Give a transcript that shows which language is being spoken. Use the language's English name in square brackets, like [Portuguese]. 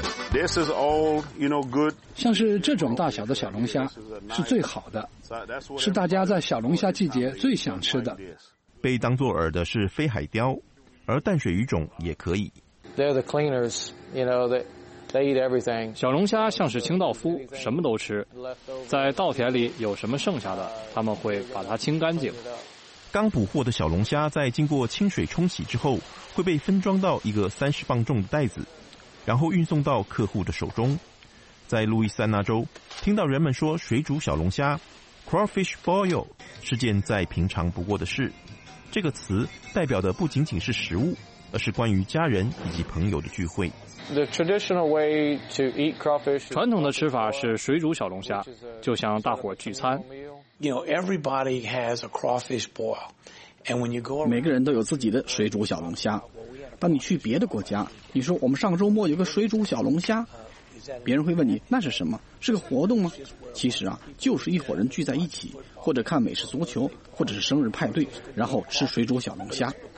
[English] This is old, you know, good. [Chinese] 像是这种大小的小龙虾是最好的，是大家在小龙虾季节最想吃的。被当作饵的是飞海雕，而淡水鱼种也可以。 [English] They're the cleaners, you know, they eat everything. [Chinese] 小龙虾像是清道夫，什么都吃。在稻田里有什么剩下的，他们会把它清干净。刚捕获的小龙虾在经过清水冲洗之后，会被分装到一个30磅重的袋子，然后运送到客户的手中。在路易斯安那州，听到人们说水煮小龙虾 crawfish boil 是件再平常不过的事。这个词代表的不仅仅是食物，而是关于家人以及朋友的聚会。 [English] The traditional way to eat crawfish， [Chinese] 传统的吃法是水煮小龙虾，就像大伙聚餐。 [English] You know, everybody has a crawfish boil, and when you go， [Chinese] 每个人都有自己的水煮小龙虾。当你去别的国家，你说我们上周末有个水煮小龙虾，别人会问你那是什么，是个活动吗？其实啊，就是一伙人聚在一起，或者看美式足球，或者是生日派对，然后吃水煮小龙虾。